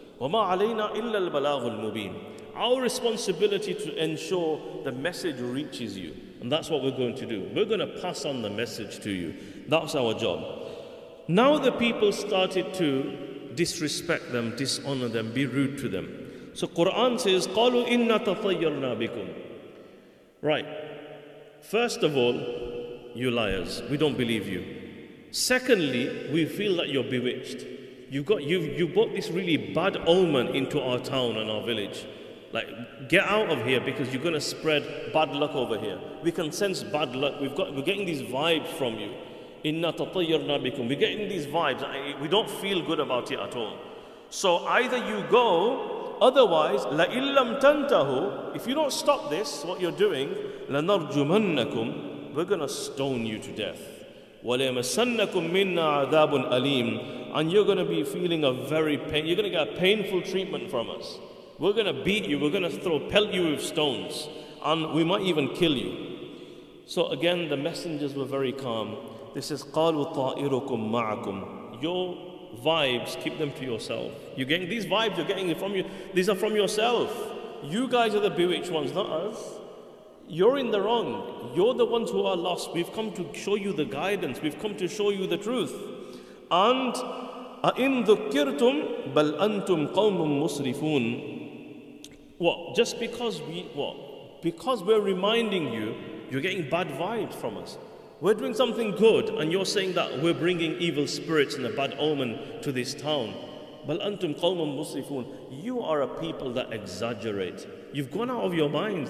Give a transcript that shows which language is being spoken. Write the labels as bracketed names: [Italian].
[Arabic] وَمَا عَلَيْنَا إِلَّا الْبَلَاغُ الْمُبِينَ. [English] Our responsibility to ensure the message reaches you. And that's what we're going to do. We're going to pass on the message to you. That's our job. Now the people started to disrespect them, dishonor them, be rude to them. So Quran says, [Arabic] قَالُوا إِنَّا تَطَيَّرْنَا بِكُمْ. [English] Right. First of all, you liars. We don't believe you. Secondly, we feel that you're bewitched. You've brought this really bad omen into our town and our village. Like, get out of here because you're going to spread bad luck over here. We can sense bad luck. We're getting these vibes from you. [Arabic] Inna tatayyarna bikum. [English] We're getting these vibes. We don't feel good about it at all. So either you go, otherwise, [Arabic] la illam tantahu, [English] if you don't stop this, what you're doing, [Arabic] lanarjumannakum, [English] we're going to stone you to death. [Arabic] وَلَيَمَسَنَّكُمْ مِنَّا عَذَابٌ أَلِيمٌ. [English] And you're going to be feeling a very pain. You're going to get a painful treatment from us. We're going to beat you. We're going to pelt you with stones. And we might even kill you. So again, the messengers were very calm. This is [Arabic] قَالُوا طَائِرُكُمْ مَعَكُمْ. [English] Your vibes, keep them to yourself. You're getting these vibes, you're getting it from you. These are from yourself. You guys are the bewitched ones, not us. You're in the wrong. You're the ones who are lost. We've come to show you the guidance. We've come to show you the truth. [Arabic] And أَإِن ذُكِّرْتُمْ بَلْ أَنْتُمْ قَوْمٌ مُسْرِفُونَ. [English] What? Just because we're reminding you, you're getting bad vibes from us. We're doing something good and you're saying that we're bringing evil spirits and a bad omen to this town. [Arabic] بَلْ أَنْتُمْ قَوْمٌ مُسْرِفُونَ. [English] You are a people that exaggerate. You've gone out of your minds.